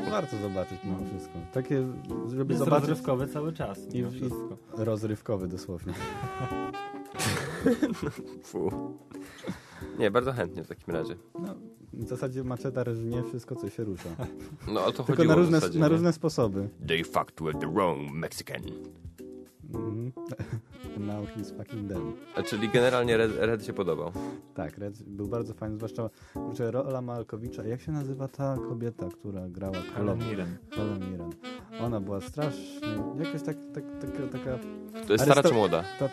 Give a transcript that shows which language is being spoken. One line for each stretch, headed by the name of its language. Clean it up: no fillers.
Polish: Ale warto zobaczyć mimo wszystko. Takie, żeby jest zobaczyć... rozrywkowy cały czas. I wszystko. Rozrywkowy dosłownie. No, nie, bardzo chętnie w takim razie. No, w zasadzie Macheta rżnie wszystko, co się rusza. No, o to chodziło. Tylko na różne sposoby.
English: They fucked with the wrong Mexican. Now he's fucking dead.
Polish: A czyli generalnie Red się podobał. Tak, Red był bardzo fajny, zwłaszcza kurczę, Rola Malkowicza. Jak się nazywa ta kobieta, która grała? Helen Mirren. Ona była strasznie, jakaś taka... To jest stara czy młoda?